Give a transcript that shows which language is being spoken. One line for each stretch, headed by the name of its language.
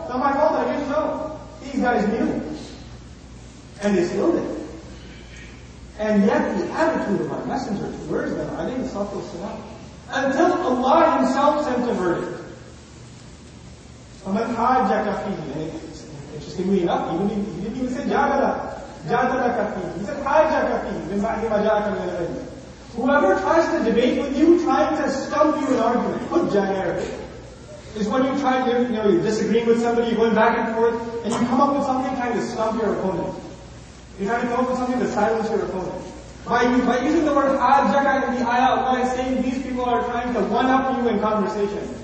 English: It's not my fault, I didn't know. These guys knew. And they still did. And yet the attitude of my messenger towards them, I didn't stop this enough. Until Allah Himself sent a verdict.
Arabic: فَمَنْ حَاجَّكَ فِيهِ.
English: Interestingly enough, he didn't even say جَعَلَ. He said,
Arabic: حَاجَكَ فِيهِ مِنْ بَعْدِ مَجَاكَ مِنْ الْعِلْمِ.
English: Whoever tries to debate with you, trying to stump you in argument, hujja in Arabic, is when you try to, you're disagreeing with somebody, you're going back and forth, and you come up with something trying to stump your opponent. You're trying to come up with something to silence your opponent. By using the word حَاجَكَ in the ayah, Allah is saying these people are trying to one-up you in conversation.